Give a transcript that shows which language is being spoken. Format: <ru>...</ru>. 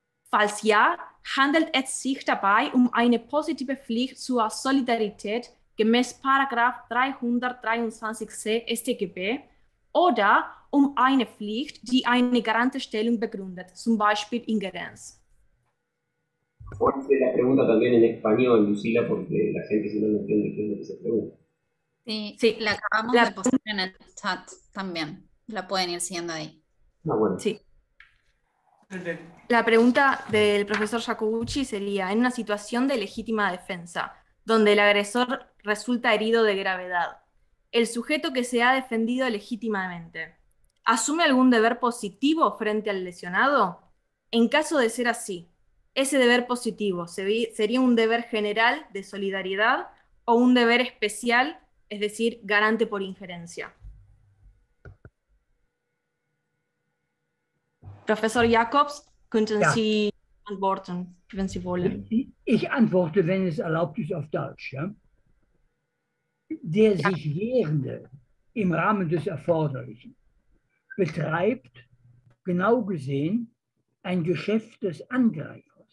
<de>Falls ja, handelt es sich dabei um eine positive Pflicht zur Solidarität gemäß § 323c StGB oder um eine Pflicht, die eine Garantestellung begründet, zum Beispiel Ingerenz.</de> <es>Hice la pregunta también en español, Lucila, porque la gente si no entiende qué es lo que se pregunta. Sí, sí, la acabamos de poner en el chat también. La pueden ir siguiendo ahí. Ah, bueno. Sí. La pregunta del profesor Jacobucci sería, en una situación de legítima defensa, donde el agresor resulta herido de gravedad, el sujeto que se ha defendido legítimamente, ¿asume algún deber positivo frente al lesionado? En caso de ser así, ¿ese deber positivo sería un deber general de solidaridad o un deber especial, es decir, garante por injerencia?</es> <de>Professor Jacobs, könnten ja. Sie antworten, wenn Sie wollen? Ich antworte, wenn es erlaubt ist, auf Deutsch. Ja? Der ja. sich Wehrende im Rahmen des Erforderlichen betreibt, genau gesehen, ein Geschäft des Angreifers.</de>